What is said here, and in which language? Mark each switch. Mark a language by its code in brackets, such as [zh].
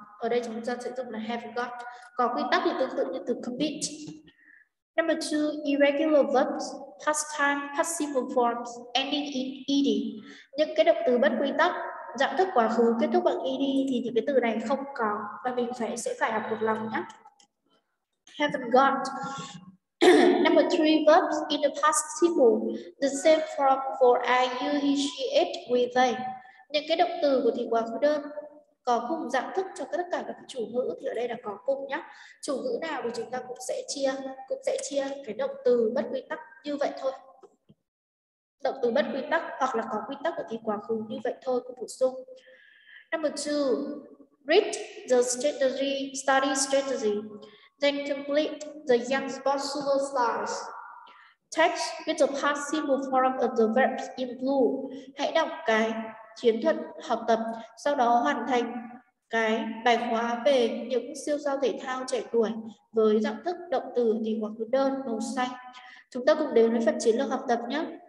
[vi] Ở đây chúng ta sử dụng là have got. Có quy tắc thì tương tự như từ compete. [en] Number 2, irregular verbs past time passive forms ending in ed. [vi] Những cái động từ bất quy tắc dạng thức quá khứ kết thúc bằng ed thì những cái từ này không có và mình sẽ phải học thuộc lòng nhé. [en] Haven't got. Number 3, verbs in the past simple, the same form for I, you, he, she, it, we, they. [vi] Những cái động từ của thì quá khứ đơn có cùng dạng thức cho tất cả các chủ ngữ thì ở đây là có cùng nhé. Chủ ngữ nào thì chúng ta cũng sẽ chia cái động từ bất quy tắc như vậy thôi. Động từ bất quy tắc hoặc là có quy tắc của thì quá khứ như vậy thôi, cũng bổ sung. [en] Number 2, read the strategy, study strategy. Then complete the young sports superstars. Text with the past simple form of the verbs in blue. [vi] Hãy đọc cái chiến thuật học tập, sau đó hoàn thành cái bài khóa về những siêu sao thể thao trẻ tuổi với dạng thức động từ thì quá khứ đơn màu xanh. Chúng ta cùng đến với phần chiến lược học tập nhé.